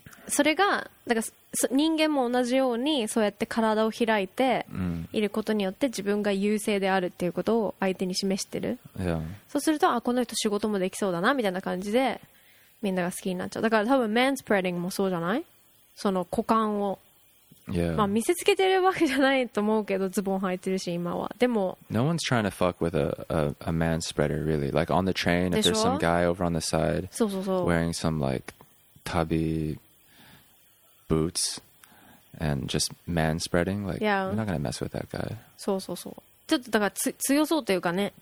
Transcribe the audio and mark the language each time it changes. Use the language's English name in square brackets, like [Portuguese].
[Japanese] それがだから人間も同じようにそうやって体を開いていることによって自分が優勢であるっていうことを相手に示してる、 [English] yeah. [Japanese] そうするとあこの人仕事もできそうだなみたいな感じでみんなが好きになっちゃうだから多分マンスプレディングもそうじゃないその股間を、 [English] yeah. [Japanese] まあ見せつけてるわけじゃないと思うけどズボン履いてるし今はでも [English] No one's trying to fuck with a man spreader really like on the train if there's some guy over on the side [Japanese] そうそうそう [English] wearing some like tubbyboots and just man spreading like yeah. you're not gonna mess with that guy [Japanese] そうそうそうちょっとだから強そうというかね、